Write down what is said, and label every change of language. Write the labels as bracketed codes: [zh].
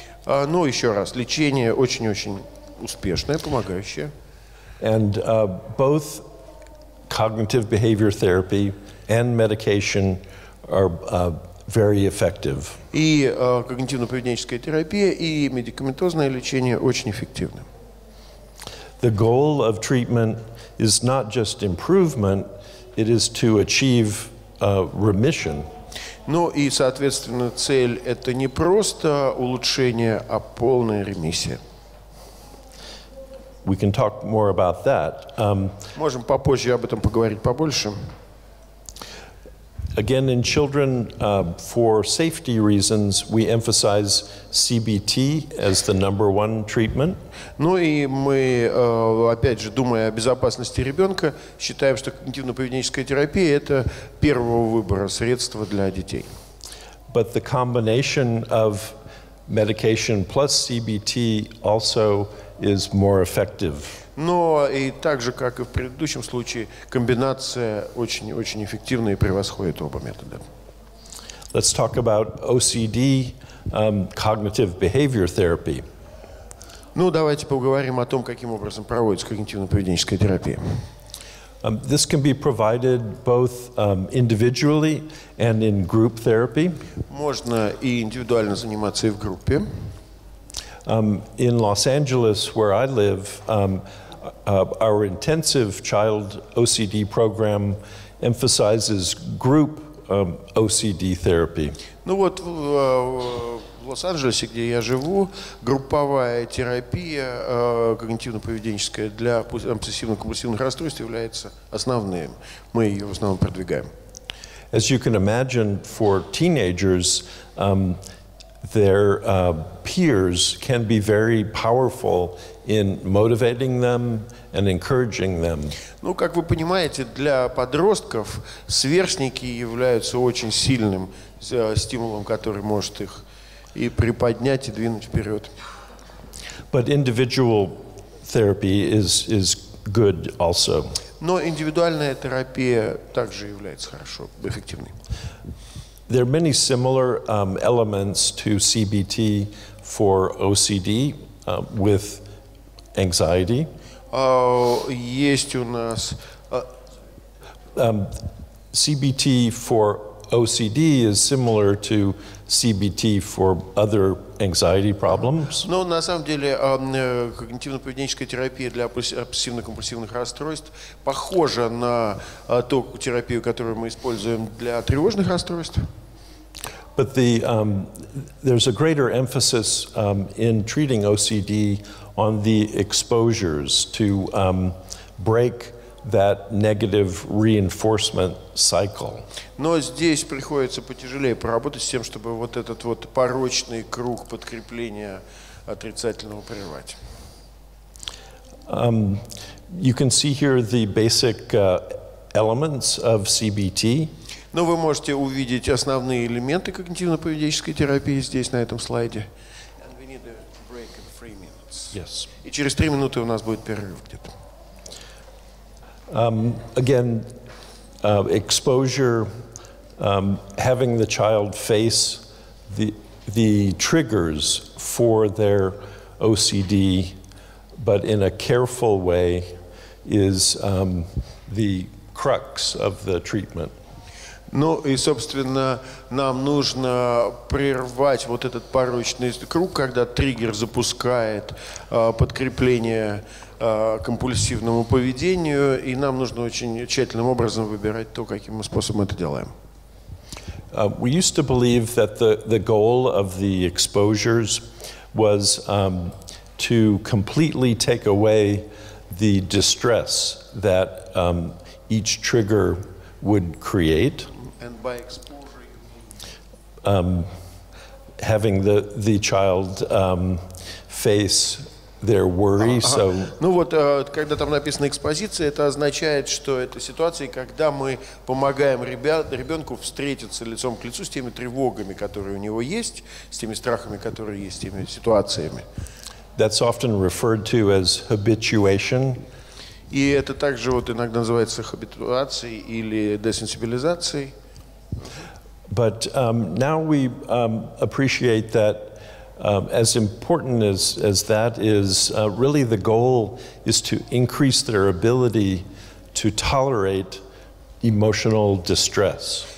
[ru] Ну еще раз, лечение очень-очень успешное, помогающее. [en] And both cognitive behavior therapy and medication are very effective. [ru] И когнитивно-поведенческая терапия и медикаментозное лечение очень эффективны. [en] The goal of treatment is not just improvement, it is to achieve remission. [ru] Ну и, соответственно, цель – это не просто улучшение, а полная ремиссия. [en] We can talk more about that. [ru] Можем попозже об этом поговорить побольше. [en] Again, in children, for safety reasons, we emphasize CBT as the number one treatment. [ru] Ну и мы, опять же, думая о безопасности ребенка, считаем, что когнитивно-поведенческая терапия – это первого выбора средства для детей. [en] But the combination of medication plus CBT also is more effective. [ru] Но и так же, как и в предыдущем случае, комбинация очень-очень эффективна и превосходит оба метода. [en] Let's talk about OCD, cognitive behavior therapy. [ru] Ну, давайте поговорим о том, каким образом проводится когнитивно-поведенческая терапия. [en] This can be provided both individually and in group therapy. [ru] Можно и индивидуально заниматься, и в группе. [en] In Лос-Анджелес, where I live, our intensive child OCD program emphasizes group OCD therapy. [ru] Ну вот в Лос-Анджелесе, где я живу, групповая терапия когнитивно-поведенческая для обсессивно-компульсивных расстройств является основным. Мы ее в основном продвигаем. [en] As you can imagine, for teenagers, their peers can be very powerful in motivating them and encouraging them. [ru] Ну, как вы понимаете, для подростков сверстники являются очень сильным стимулом, который может их и приподнять, и двинуть вперед. [en] But individual therapy is good also. [ru] Но индивидуальная терапия также является хорошо, эффективной. [en] There are many similar elements to CBT for OCD with anxiety. [ru] Есть у нас [en] CBT for OCD is similar to CBT for other anxiety problems. [ru] Но на самом деле когнитивно-поведенческая терапия для обсессивно-компульсивных расстройств похожа на ту терапию, которую мы используем для тревожных расстройств. [en] But the, there's a greater emphasis in treating OCD on the exposures to break that negative reinforcement cycle. [ru] Но здесь приходится потяжелее поработать с тем, чтобы вот этот вот порочный круг подкрепления отрицательного прервать. [en] You can see here the basic elements of CBT. [ru] Но вы можете увидеть основные элементы когнитивно-поведенческой терапии здесь, на этом слайде. [en] And we need a break in 3 minutes. Yes. [ru] И через 3 минуты у нас будет перерыв где-то. [en] Again, exposure, having the child face the triggers for their OCD, but in a careful way, is the crux of the treatment. [ru] Ну и, собственно, нам нужно прервать вот этот порочный круг, когда триггер запускает подкрепление компульсивному поведению, и нам нужно очень тщательным образом выбирать то, каким мы способом это делаем. [en] We used to believe that the goal of the exposures was to completely take away the distress that each trigger would create. And by exposure, you mean? Having the child face their worry, so... [ru] Ну вот, когда там написано экспозиция, это означает, что это ситуации, когда мы помогаем ребенку встретиться лицом к лицу с теми тревогами, которые у него есть, с теми страхами, которые есть, с теми ситуациями. [en] That's often referred to as habituation. [ru] И это также вот иногда называется хабитуацией или десенсибилизацией. [en] But now we appreciate that as important as that is, really the goal is to increase their ability to tolerate emotional distress.